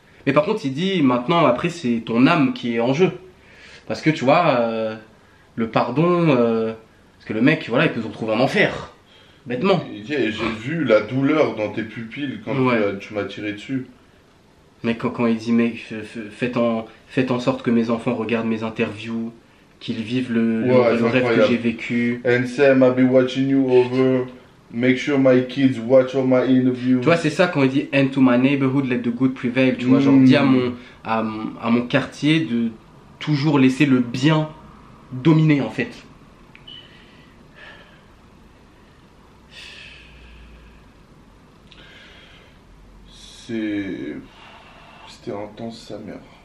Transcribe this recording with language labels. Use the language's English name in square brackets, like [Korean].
[French] Mais par contre, il dit maintenant, après, c'est ton âme qui est en jeu. Parce que tu vois, le pardon, parce que le mec, voilà, il peut se retrouver en enfer. Bêtement. Il dit, j'ai vu la douleur dans tes pupilles quand tu m'as tiré dessus. Mais quand il dit, mec, faites en sorte que mes enfants regardent mes interviews, qu'ils vivent le rêve que j'ai vécu. [English] And Sam, I'll be watching you over. Make sure my kids watch all my interviews. [French] Tu vois, c'est ça quand il dit, [English] and to my neighborhood, let the good prevail. [French] Tu vois, genre, dis à mon quartier de toujours laisser le bien dominer, en fait. C'était intense, sa mère.